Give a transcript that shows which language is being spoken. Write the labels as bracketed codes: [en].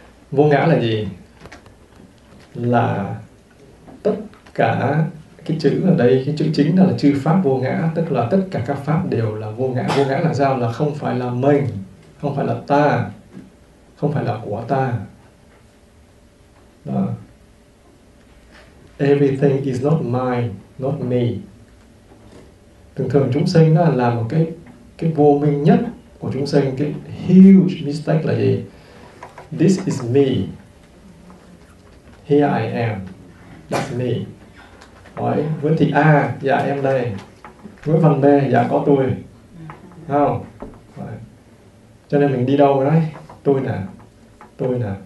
[vi] Vô ngã là gì? Là tất cả cái chữ ở đây, cái chữ chính là chư pháp vô ngã, tức là tất cả các pháp đều là vô ngã. Vô ngã là sao? Là không phải là mình, không phải là ta, không phải là của ta. Đó. [en] Everything is not mine, not me. [vi] Thường thường chúng sinh đó là một cái vô minh nhất của chúng sinh, cái [en] huge mistake [vi] là gì? [en] This is me. Here I am. That's me. Đói. [vi] Nguyễn Thị A, dạ em đây. Nguyễn Văn B, dạ có tôi. Không? Đói. Cho nên mình đi đâu đấy? Tôi nè. Tôi nè.